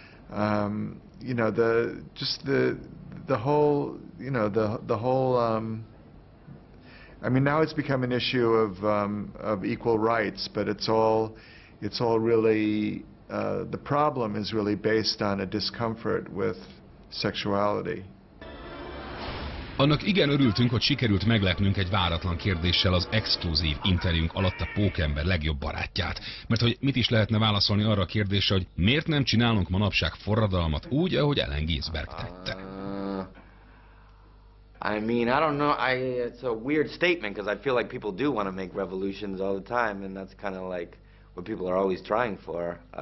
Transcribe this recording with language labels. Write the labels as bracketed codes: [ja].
[en] You know, the whole, now it's become an issue of equal rights, but it's all really, the problem is really based on a discomfort with sexuality. [hu] Annak igen örültünk, hogy sikerült meglepnünk egy váratlan kérdéssel az exkluzív interjúnk alatt a pókember legjobb barátját. Mert hogy mit is lehetne válaszolni arra a kérdésre, hogy miért nem csinálunk manapság forradalmat úgy, ahogy Allen Ginsberg tette? [en] I mean, I don't know. It's a weird statement because I feel like people do want to make revolutions all the time, and that's kind of like what people are always trying for.